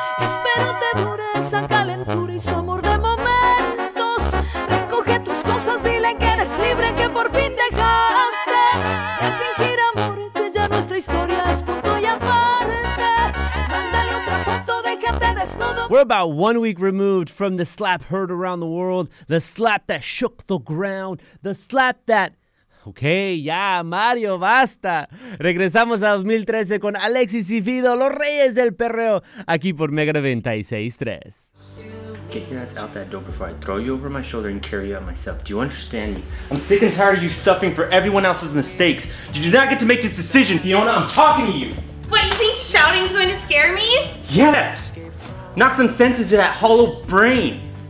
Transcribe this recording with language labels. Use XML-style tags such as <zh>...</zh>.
<es>Espero te dure esa calentura y su amor de momentos. Recoge tus cosas, dile que eres libre, que por fin dejaste el fingir amor, que ya nuestra historia es punto y aparte. Mándale otra foto, déjate desnudo.</es> <en>We're about 1 week removed from the slap heard around the world, the slap that shook the ground, the slap that...</en> <es>Okay, ya, Mario, basta. Regresamos a 2013 con Alexis y Fido, los reyes del perreo, aquí por Mega 96.3.</es> <en>Get your ass out that door before I throw you over my shoulder and carry you out myself. Do you understand me? I'm sick and tired of you suffering for everyone else's mistakes. You do not get to make this decision, Fiona. I'm talking to you. What, you think shouting is going to scare me? Yes. Knock some sense into that hollow brain.</en>